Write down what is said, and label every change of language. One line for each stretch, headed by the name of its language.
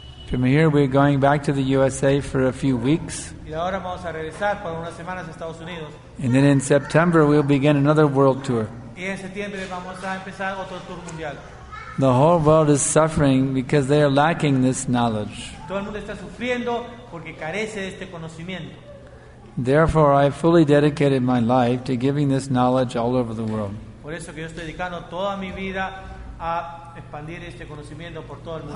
English: From here we're going back to the USA for a few weeks.
Spanish: Y ahora vamos a regresar por unas semanas a Estados Unidos.
English: And then in September we'll begin another world tour.
Spanish: Y en septiembre vamos a empezar otro tour mundial.
English: The whole world is suffering because they are lacking this knowledge.
Spanish: Todo el mundo está sufriendo porque carece de este conocimiento.
English: Therefore, I fully dedicated my life to giving this knowledge all over the world.
Spanish: Por eso que yo estoy dedicando toda mi vida a expandir este conocimiento por todo el mundo.